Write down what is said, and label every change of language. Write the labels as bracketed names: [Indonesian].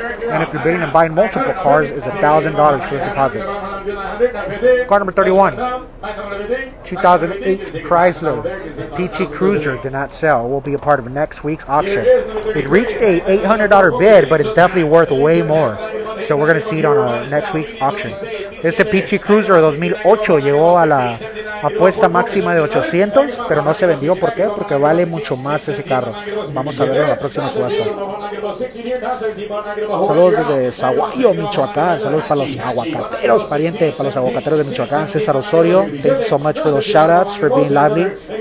[English] And if you're bidding and buying multiple cars, is $1,000 for the deposit. Car number 31, 2008 Chrysler PT Cruiser did not sell. Will be a part of next week's auction. It reached a $800 bid, but it's definitely worth way more. So we're going to see it on next week's auction. [Spanish] Ese PT Cruiser 2008 llegó a la apuesta máxima de 800, pero no se vendió. ¿Por qué? Porque vale mucho más ese carro. Vamos a verlo en la próxima subasta. Saludos desde Saguayo, Michoacán. Saludos para los aguacateros, pariente, para los aguacateros de Michoacán. [English] César Osorio, thank you so much for those shoutouts, for being lively.